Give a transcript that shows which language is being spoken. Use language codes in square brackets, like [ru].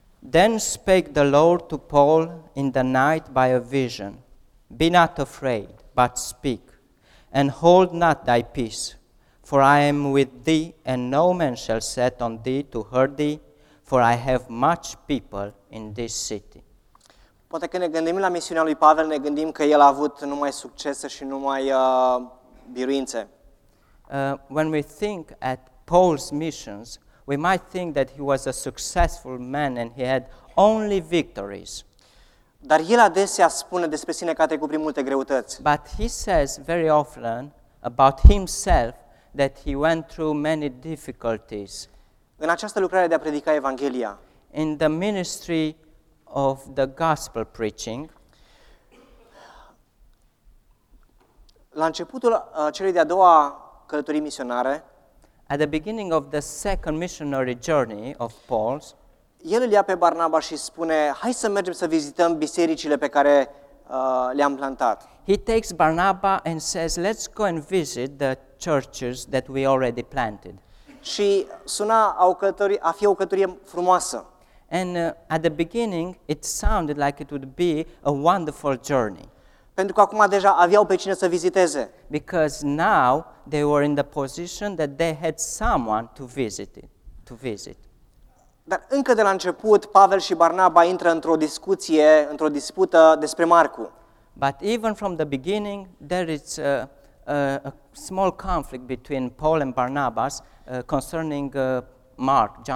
[en] Then spake the Lord to Paul in the night by a vision, "Be not afraid, but speak, and hold not thy peace, for I am with thee, and no man shall set on thee to hurt thee, for I have much people in this city." [ro] Poate că ne gândim la misiunea lui Pavel, ne gândim că el a avut numai succese și numai biruințe. [en] When we think at Paul's missions, we might think that he was a successful man and he had only victories. [ro] Dar el adesea spune despre sine că a trecut prin multe greutăți. [en] But he says very often about himself that he went through many difficulties. [ro] În această lucrare de a predica Evanghelia. [en] In the ministry of the gospel preaching. [ro] La începutul celei de-a doua călătorii misionare. [en] At the beginning of the second missionary journey of Paul's, [ro] el îl ia pe Barnaba și spune: "Hai să mergem să vizităm bisericile pe care le-am plantat." [en] He takes Barnaba and says, "Let's go and visit the churches that we already planted." [ro] Și suna a fi o călătorie frumoasă. [en] And at the beginning it sounded like it would be a wonderful journey. [ro] Pentru că acum deja aveau pe cine să viziteze. [en] Because now they were in the position that they had someone to visit it, to visit. [ro] Dar încă de la început Pavel și Barnaba intră într-o discuție, într-o dispută despre Marcu. [en] But even from the beginning there is a small conflict between Paul and Barnabas concerning Mark, John Mark.